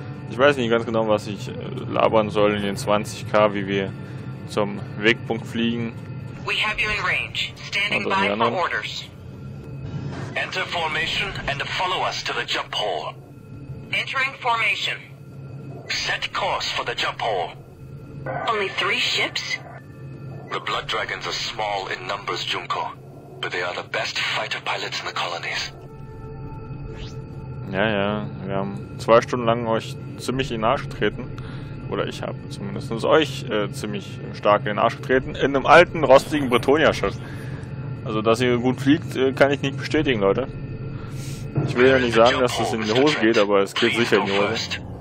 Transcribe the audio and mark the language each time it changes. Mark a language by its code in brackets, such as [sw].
[de] Ich weiß nicht ganz genau, was ich labern soll in den 20k, wie wir zum Wegpunkt fliegen. [en] We have you in range. Standing by for orders. Enter formation and follow us to the jump hole. Entering formation. Set course for the jump hole. Only three ships? The Blood Dragons are small in numbers, Junko. But they are the best fighter pilots in the colonies. [de] Ja, ja. Wir haben zwei Stunden lang euch ziemlich in den Arsch getreten. Oder ich habe zumindest euch ziemlich stark in den Arsch getreten. In einem alten, rostigen Bretonia-Schiff. Also, dass ihr gut fliegt, kann ich nicht bestätigen, Leute. Ich will ja nicht sagen, dass es in die Hose geht, aber es geht sicher in die Hose.